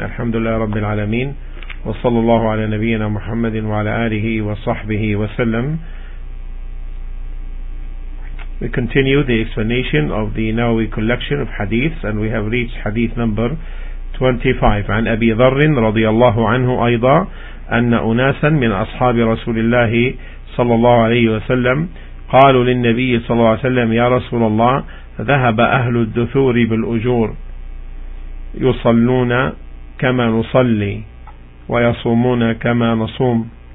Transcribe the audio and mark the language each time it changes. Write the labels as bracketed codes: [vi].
[ar] الحمد لله رب العالمين، وصلى الله على نبينا محمد وعلى آله وصحبه وسلم. [en] We continue the explanation of the Nawawi collection of hadiths, and we have reached hadith number 25. [ar] عن أبي ذر رضي الله عنه أيضا أن أناسا من أصحاب رسول الله صلى الله عليه وسلم قالوا للنبي صلى الله عليه وسلم: يا رسول الله، ذهب أهل الدثور بالأجور يصلون كما نصلي ويصومون كما نصوم